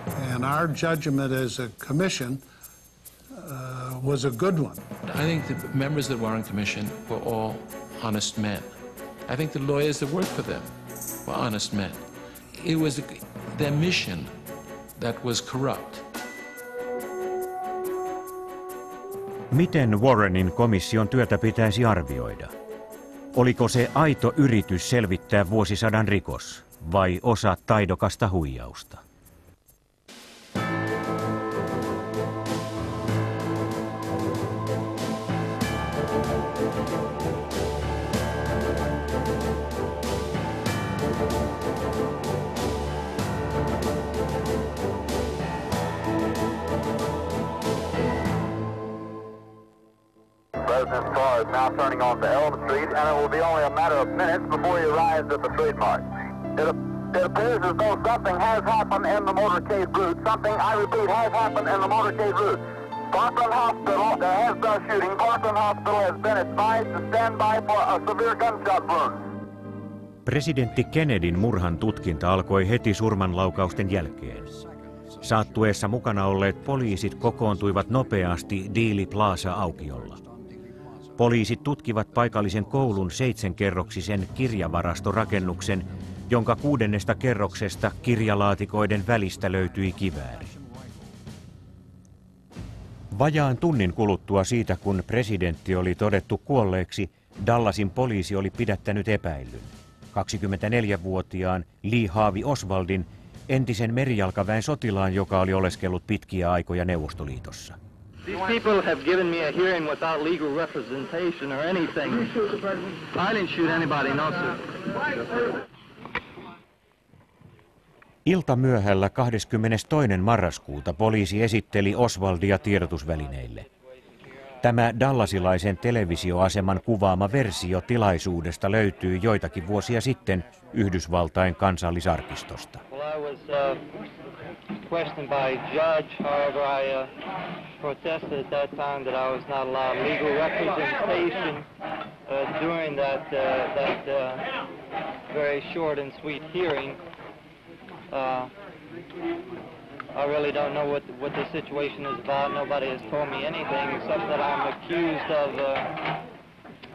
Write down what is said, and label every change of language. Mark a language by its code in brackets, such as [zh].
[en] And our judgment as a commission was a good one. I think the members of the Warren Commission were all honest men. I think the lawyers that worked for them were honest men. It was their mission that was corrupt. [fi] Miten Warrenin komission työtä pitäisi arvioida? Oliko se aito yritys selvittää vuosisadan rikos vai osa taidokasta huijausta? [en] Now turning on to Elm Street, and it will be only a matter of minutes before he arrives at the street mark. It appears as though something has happened in the motorcade route. Something, I repeat, has happened in the motorcade route. Parkland Hospital, there has been a shooting. Parkland Hospital has been advised to stand by for a severe gunshot wound. [fi] Presidentti Kennedyn murhan tutkinta alkoi heti surmanlaukausten jälkeen. Saattueessa mukana olleet poliisit kokoontuivat nopeasti Dealey Plaza-aukiolla. Poliisit tutkivat paikallisen koulun 7-kerroksisen kirjavarastorakennuksen, jonka 6. kerroksesta kirjalaatikoiden välistä löytyi kivääri. Vajaan tunnin kuluttua siitä, kun presidentti oli todettu kuolleeksi, Dallasin poliisi oli pidättänyt epäillyn, 24-vuotiaan Lee Harvey Oswaldin, entisen merijalkaväen sotilaan, joka oli oleskellut pitkiä aikoja Neuvostoliitossa. [en] These people have given me a hearing without legal representation or anything. Did you shoot the president? I didn't shoot anybody, no sir. [fi] Ilta myöhällä 22. marraskuuta poliisi esitteli Oswaldia tiedotusvälineille. Tämä dallasilaisen televisioaseman kuvaama versio tilaisuudesta löytyy joitakin vuosia sitten Yhdysvaltain kansallisarkistosta. [en] Questioned by a judge, however, I protested at that time that I was not allowed legal representation during that very short and sweet hearing. I really don't know what the situation is about. Nobody has told me anything except that I'm accused of